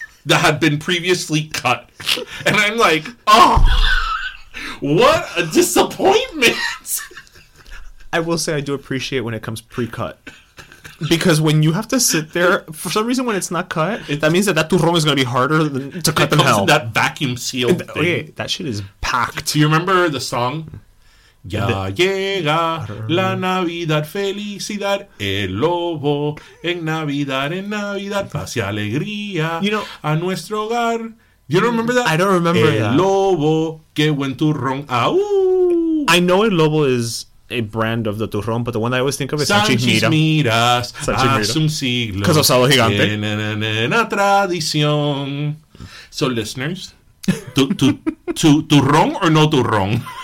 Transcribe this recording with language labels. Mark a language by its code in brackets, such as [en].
[en] That had been previously cut. And I'm like, oh, what a disappointment. I will say I do appreciate when it comes pre-cut. Because when you have to sit there, for some reason when it's not cut, that means that turrón is going to be harder to cut than hell. That vacuum sealed thing. Okay, that shit is packed. Do you remember the song? [es] Ya llega la Navidad, felicidad, el lobo en Navidad, hace alegría a nuestro hogar. [en] You don't remember that? I don't remember [es] el [en] that. [es] El lobo, que buen turrón. Ah, [en] I know el lobo is a brand of the turrón, but the one I always think of is [es] Sanchis Miras. Hace un siglo. [en] Because of Salo Gigante. [es] En la tradición. [en] So, listeners, turrón or no turrón?